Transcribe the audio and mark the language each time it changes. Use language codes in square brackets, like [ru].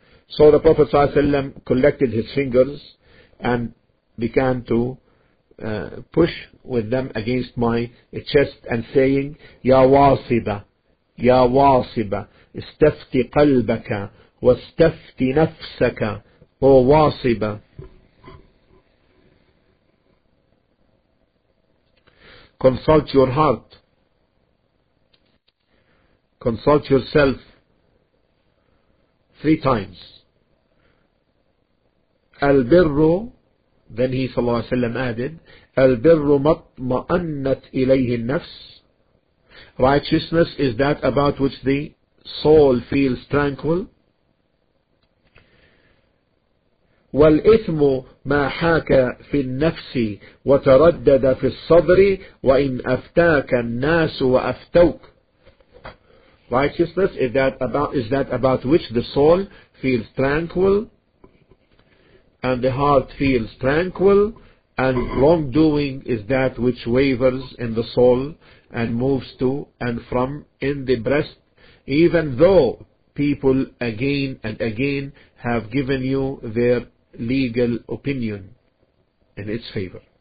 [en] So the Prophet ﷺ collected his fingers and began to push with them against my chest and saying, Ya Wasiba, Ya Wasiba, [ar] استفتي قلبك واستفتي نفسك وواصبة. [en] Consult your heart. Consult yourself three times. [ar] البر, [en] then he [ar] صلى الله عليه وسلم [en] added, [ar] البر مطمئنت إليه النفس. [en] Righteousness is that about which the soul feels tranquil. [ar] والإثم ما حاك في النفس وتردد في الصدر وإن أفتاك الناس وأفتوك. [en] Righteousness is that about which the soul feels tranquil and the heart feels tranquil, and wrongdoing is that which wavers in the soul and moves to and from in the breast, even though people again and again have given you their legal opinion in its favor.